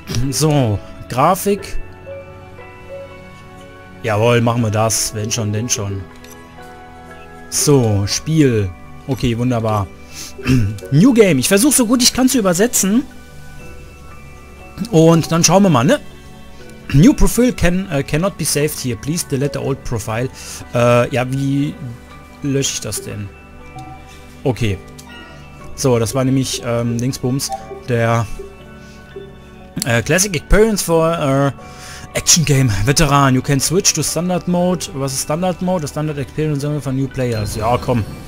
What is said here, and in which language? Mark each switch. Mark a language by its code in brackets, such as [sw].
[de] So, Grafik. Jawohl, machen wir das. Wenn schon, denn schon. So, Spiel. Okay, wunderbar. New Game. Ich versuche so gut ich kann zu übersetzen. Und dann schauen wir mal, ne? [en] New Profile cannot be saved here. Please delete the old profile. [de] Ja, wie lösche ich das denn? Okay. So, das war nämlich Dingsbums, der [en] Classic Experience for Action Game Veteran. You can switch to Standard Mode. [de] Was ist Standard Mode? [en] Standard Experience Sammel von New Players. [de] Ja, komm.